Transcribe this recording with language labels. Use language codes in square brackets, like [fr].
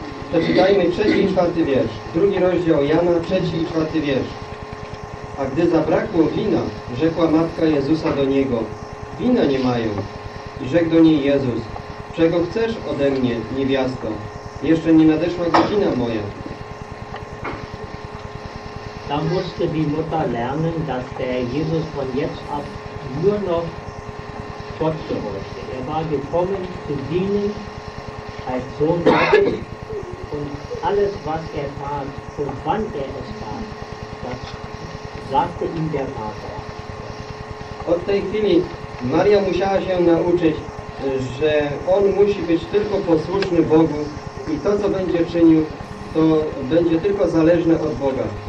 [pl] Przeczytajmy trzeci i czwarty wiersz. Drugi rozdział Jana, trzeci i czwarty wiersz. A gdy zabrakło wina, rzekła matka Jezusa do niego: wina nie mają. I rzekł do niej Jezus: czego chcesz ode mnie, niewiasto? Jeszcze nie nadeszła godzina moja. [de] Da musste die Mutter lernen, dass der Jesus von jetzt ab nur noch Gott gehorchte. Er war gekommen zu dienen als Sohn Gottes, und alles, was er tat und wann er es tat, das sagte ihm der Vater. [pl] Od tej chwili Maria musiała się nauczyć, że on musi być tylko posłuszny Bogu, i to, co będzie czynił, to będzie tylko zależne od Boga.